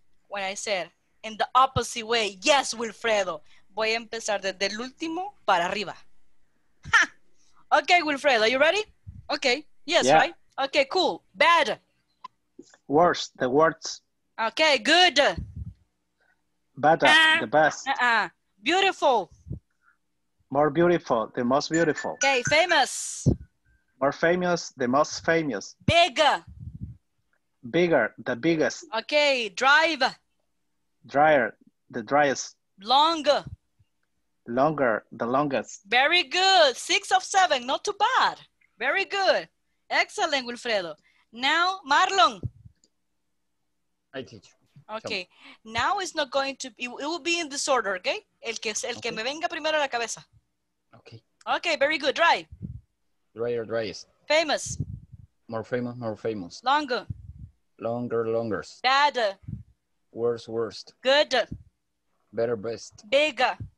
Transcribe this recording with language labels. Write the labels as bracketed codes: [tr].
[en] When I said, in the opposite way, yes, Wilfredo. [es] Voy a empezar desde el último para arriba. [en] Ha! Okay, Wilfredo, are you ready? Okay, yes, yeah. Right? Okay, cool. Bad. Worst, the worst. Okay, good. Better, the best. Beautiful. More beautiful, the most beautiful. Okay, famous. More famous, the most famous. Bigger. Bigger, the biggest. Okay, drive. Dryer, the driest. Longer. Longer, the longest. Very good. 6 of 7, not too bad. Very good. Excellent, Wilfredo. Now, Marlon. I teach. Okay, so. Now it's not going to be, it will be in disorder, okay? [es] El que me venga primero a la cabeza. [en] Okay. Okay, very good. Dry. Dryer, driest. Famous. More famous. Longer. Longer. Bad. Worst. Good. Better, best. Bigger.